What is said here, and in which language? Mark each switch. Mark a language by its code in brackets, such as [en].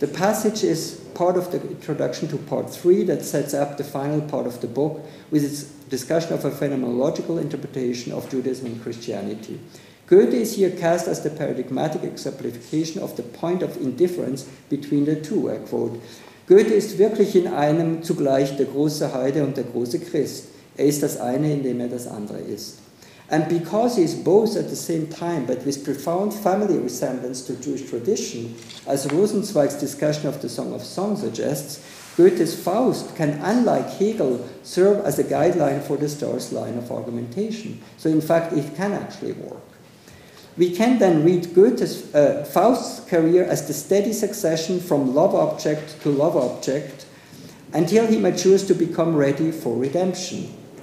[en] The passage is part of the introduction to part three that sets up the final part of the book with its discussion of a phenomenological interpretation of Judaism and Christianity. Goethe is here cast as the paradigmatic exemplification of the point of indifference between the two. I quote, [de] Goethe ist wirklich in einem zugleich der große Heide und der große Christ. Er ist das eine, indem er das andere ist. [en] And because he is both at the same time, but with profound family resemblance to Jewish tradition, as Rosenzweig's discussion of the Song of Songs suggests, Goethe's Faust can, unlike Hegel, serve as a guideline for the Stoics' line of argumentation. So in fact, it can actually work. We can then read Goethe's Faust's career as the steady succession from love object to love object until he matures to become ready for redemption.